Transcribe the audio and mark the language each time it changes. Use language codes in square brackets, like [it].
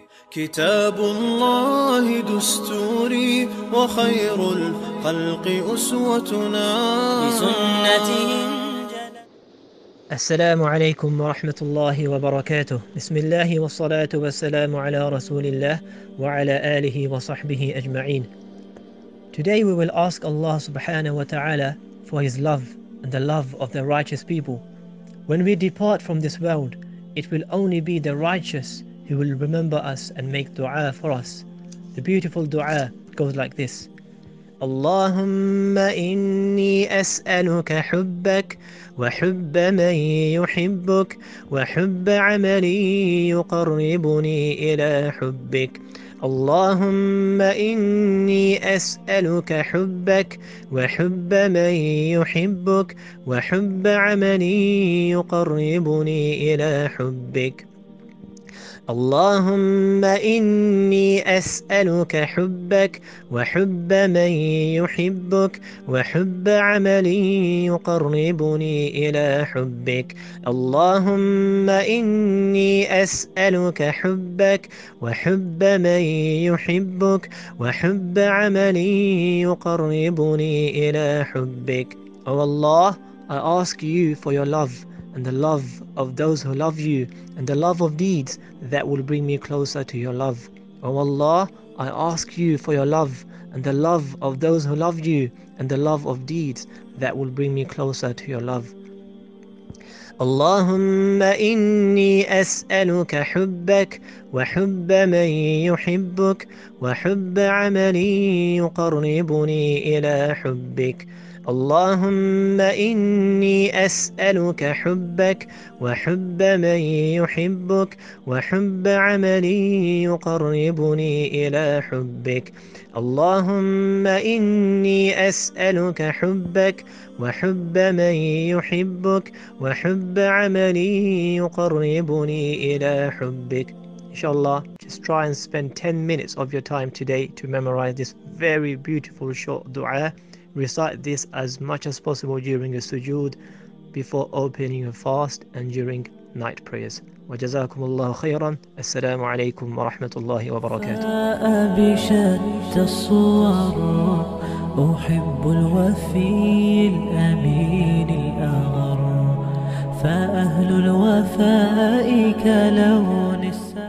[ar] كتاب الله دستوري وخير الخلق أسوتنا بسنته. السلام عليكم ورحمة الله وبركاته. بسم الله والصلاة والسلام على رسول الله وعلى آله وصحبه أجمعين. [en] Today we will ask Allah subhanahu wa ta'ala for His love and the love of the righteous people. When we depart from this world, it will only be the righteous who will remember us and make dua for us. The beautiful dua goes like this. [ar] اللهم إني أسألك حبك وحب من يحبك وحب عملي يقربني إلى حبك. اللهم إني أسألك حبك وحب من يحبك وحب عملي يقربني إلى حبك. اللهم إني أسألك حبك وحب من يحبك وحب عملي يقربني إلى حبك. اللهم إني أسألك حبك وحب من يحبك وحب عملي يقربني إلى حبك. [en] Oh Allah, I ask you for your love and the love of those who love you, and the love of deeds that will bring me closer to your love. O Allah, I ask you for your love, and the love of those who love you, and the love of deeds that will bring me closer to your love. [ar] اللهم إني أسألك حبك وحب من يحبك وحب عملي يقربني إلى حبك. اللهم إني أسألك حبك وحب من يحبك وحب عملي يقربني إلى حبك. اللهم إني أسألك حبك وحب من يحبك وحب عملي يقربني إلى حبك. [en] Inshallah, just try and spend 10 minutes of your time today to memorize this very beautiful short dua. Recite this as much as possible during your sujood, before opening your fast, and during night prayers. [ar] وجزاكم الله خيرا. السلام عليكم ورحمة الله وبركاته. فاء بشتى الصور أحب الوفي الأمين الأغر فأهل الوفاء كلون السور.